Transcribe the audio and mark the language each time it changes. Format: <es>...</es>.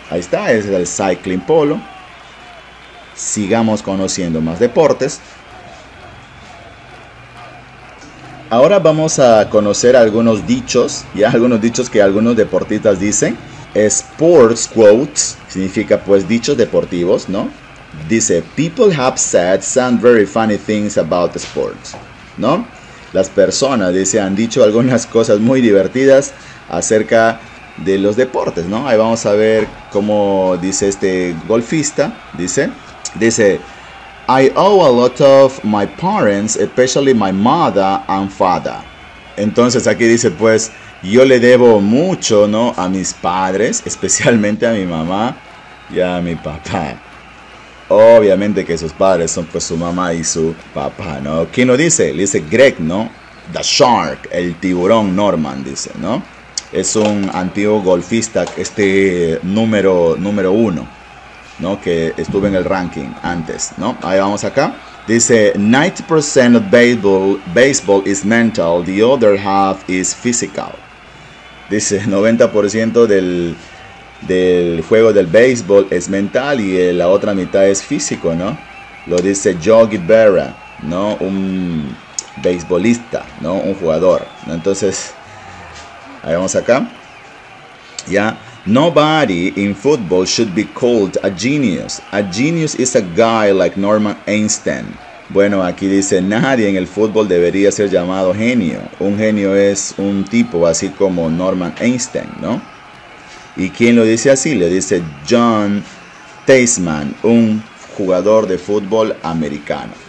<es>Ahí está, es el cycling polo. Sigamos conociendo más deportes. Ahora vamos a conocer algunos dichos, ya algunos dichos que algunos deportistas dicen.</es> <en>Sports quotes</en> <es>significa, pues, dichos deportivos, ¿no?</es> <en>Dice, people have said some very funny things about sports, ¿no?</en> <es>Las personas, dice, han dicho algunas cosas muy divertidas acerca de los deportes, ¿no? Ahí vamos a ver cómo dice este golfista, dice.</es> <en>Dice, I owe a lot of my parents, especially my mother and father.</en> <es>Entonces aquí dice, pues, yo le debo mucho, ¿no? A mis padres, especialmente a mi mamá y a mi papá. Obviamente que sus padres son, pues, su mamá y su papá, ¿no? ¿Quién lo dice? Le dice Greg, ¿no? The Shark, el tiburón Norman, dice, ¿no? Es un antiguo golfista, número uno, ¿no? Que estuvo en el ranking antes, ¿no? Ahí vamos acá.</es> <en>Dice, 90% of baseball is mental, the other half is physical.</en> <es>Dice, 90% del juego del béisbol es mental y la otra mitad es físico, ¿no? Lo dice Yogi Berra, ¿no? Un beisbolista, ¿no? Un jugador, ¿no? Entonces, ahí vamos acá. Ya.</es> <en>Nobody in football should be called a genius. A genius is a guy like Norman Einstein.</en> <es>Bueno, aquí dice, nadie en el fútbol debería ser llamado genio. Un genio es un tipo así como Norman Einstein, ¿no? ¿Y quién lo dice así? Le dice John Tasman, un jugador de fútbol americano.</es>